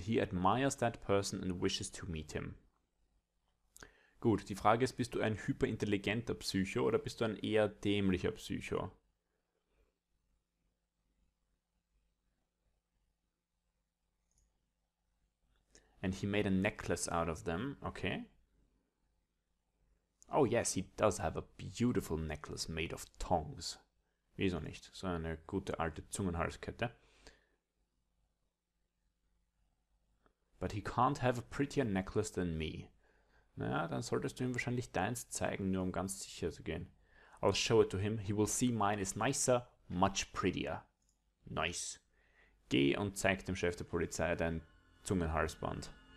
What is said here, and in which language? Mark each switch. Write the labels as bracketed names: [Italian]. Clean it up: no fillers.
[English] He admires that person and wishes to meet him. [German] Gut, die Frage ist, bist du ein hyperintelligenter Psycho oder bist du ein eher dämlicher Psycho? [English] And he made a necklace out of them, okay? Oh yes, he does have a beautiful necklace made of tongs. [German] Wieso nicht? So eine gute alte Zungenhalskette. [English] But he can't have a prettier necklace than me. [German] Naja, dann solltest du ihm wahrscheinlich deins zeigen, nur um ganz sicher zu gehen. [English] I'll show it to him. He will see mine is nicer, much prettier. Nice. [German] Geh und zeig dem Chef der Polizei dein Zungenhalsband.